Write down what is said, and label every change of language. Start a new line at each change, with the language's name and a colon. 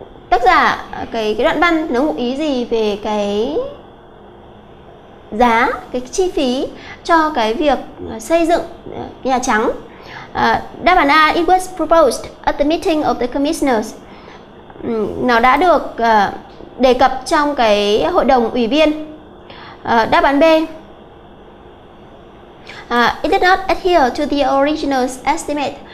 Vietnamese: Tác giả cái đoạn văn nó ngụ ý gì về cái giá, cái chi phí cho cái việc xây dựng Nhà Trắng? Đáp án A,
English: it was proposed at the meeting of the commissioners.
Vietnamese: Nó đã được đề cập trong cái hội đồng ủy viên. Đáp án B,
English: it did not adhere to the original estimate.